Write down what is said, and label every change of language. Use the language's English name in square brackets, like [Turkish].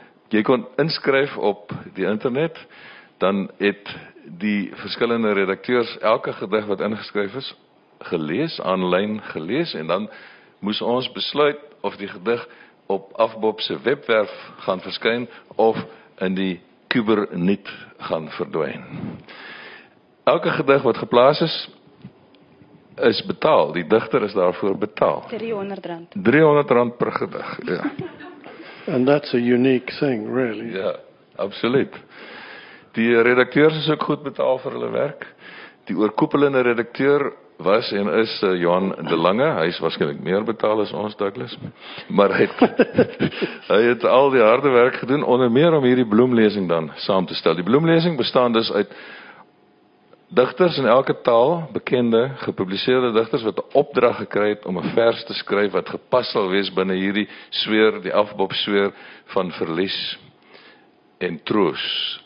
[Afrikaans] Jy kon inskryf op die internet, dan het die verskillende redakteurs elke gedig wat ingeskryf is gelees, aanlyn gelees, en dan moes ons besluit of die gedig op Afpop se webwerf gaan verskyn of in die Kuber niet gaan verdwyn. Elke gedig wat geplaas is betaal, die digter is daarvoor betaal. R300 per gedig, ja. [English] And that's a unique thing, really. [Afrikaans] Ja, absoluut. Die redakteurs is ook goed betaal vir hulle werk. Die oorkoepelende redakteur was en is Johan de Lange, hy is waarskynlik meer betaal as ons, Douglas, maar hy het al die harde werk gedoen, onder meer om hierdie bloemlezing dan saam te stel. Die bloemlezing bestaan dus uit digters in elke taal, bekende, gepubliseerde digters, wat 'n opdrag gekry het om 'n vers te skryf, wat gepas sal wees binnen hierdie sfeer, die Afpop sfeer van verlies en troos.